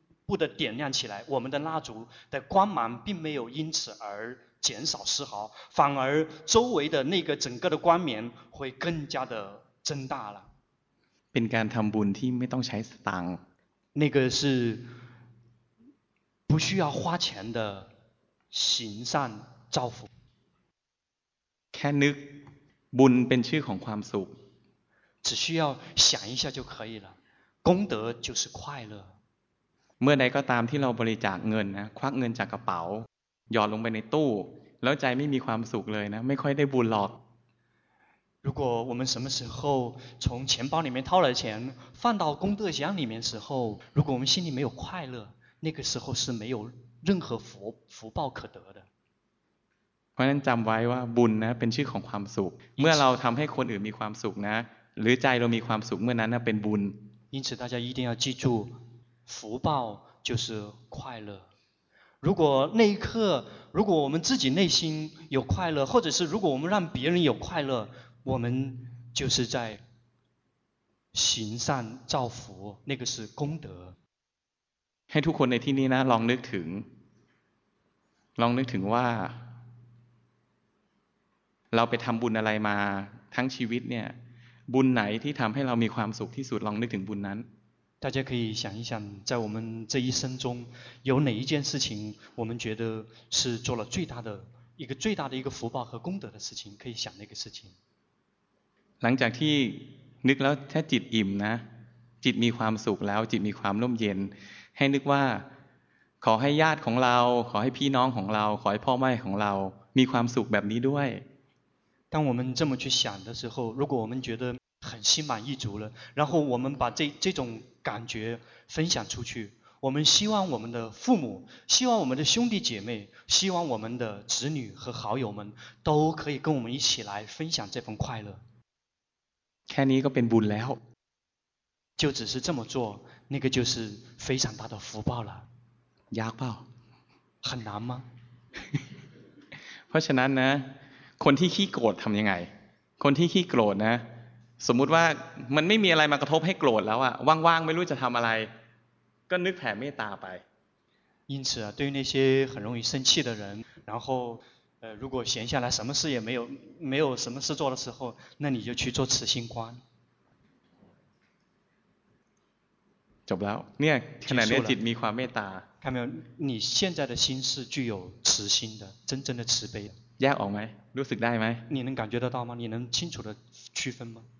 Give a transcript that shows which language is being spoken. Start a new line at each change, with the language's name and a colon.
Chinese: 部的点亮起来我们的蜡烛的光芒并没有因此而减少丝毫反而周围的那个整个的光明会更加的增大了
Thai: เป็นการทำบุญที่ไม่ต้องใช้สตางค์
Chinese: 那个是不需要花钱的行善造福
Thai: แค่นึกบุญเป็นชื่อของความสุข
Chinese: 只需要想一下就可以了功德就是快乐
Thai: เมื่อใดก็ตามที่เราบริจาคเงินนะควักเงินจากกระเป๋าหยอดลงไปในตู้แล้วใจไม่มีความสุขเลยนะไม่ค่อยได้บุญหรอก
Chinese: 如果我们什么时候从钱包里面掏了钱放到功德箱里面时候如果我们心里没有快乐那个时候是没有任何福报可得的
Thai: เพราะนั้นจำไว้ว่าบุญนะเป็นชื่อของความสุขเมื่อเราทำให้คนอื่นมีความสุขนะหรือใจเรามีความสุขเมื่อนั้นนะเป็นบุญ
Chinese: 因此大家一定要记住福报就是快乐如果那一刻如果我们自己内心有快乐或者是如果我们让别人有快乐我们就是在行善造福那个是功德
Thai: ให้ทุกคนในที่นี้นะลองนึกถึงว่าเราไปทำบุญอะไรมาทั้งชีวิตเนี่ยบุญไหนที่ทำให้เรามีความสุขที่สุดลองนึกถึงบุญนั้น
Chinese: 大家可以想一想在我们这一生中有哪一件事情我们觉得是做了最大的一个福报和功德的事情可以想那个事情
Thai: หลังจากที่นึกแล้วถ้าจิตอิ่มนะจิตมีความสุขแล้วจิตมีความร่มเย็นให้นึกว่า ขอให้ญาติของเราขอให้พี่น้องของเราขอให้พ่อแม่ของเรามีความสุขแบบนี้ด้วย
Chinese: 当我们这么去想的时候，如果我们觉得很心满意足了，然后我们把这种感觉分享出去，我们希望我们的父母，希望我们的兄弟姐妹，希望我们的子女和好友们都可以跟我们一起来分享这份快乐。
Thai: แค่นี้ก็เป็นบุญแล้ว。
Chinese: 就只是这么做，那个就是非常大的福报了。
Thai: ยากเปล่า？
Chinese: 很难吗？
Thai: เพราะฉะนั้นนะคนที่ขี้โกรธทำยังไงคนที่ขี้โกรธนะสมมุติว่ามันไม่มีอะไรมากระทบให้โกรธแล้วอะว่างๆไม่รู้จะทำอะไรก็นึกแผ่เมตตาไป
Chinese: 因此啊对那些很容易生气的人然后如果闲下来什么事也没有什么事做的时候那你就去做慈心观
Thai: จบแล้วเนี่ยขณะนี้จิตมีความเมตตา
Chinese: 看到没有你现在的心是具有慈心的真正的慈悲
Thai: แยกออกไหมรู้สึกได้ไหม
Chinese: 你能感觉得到吗你能清楚的区分吗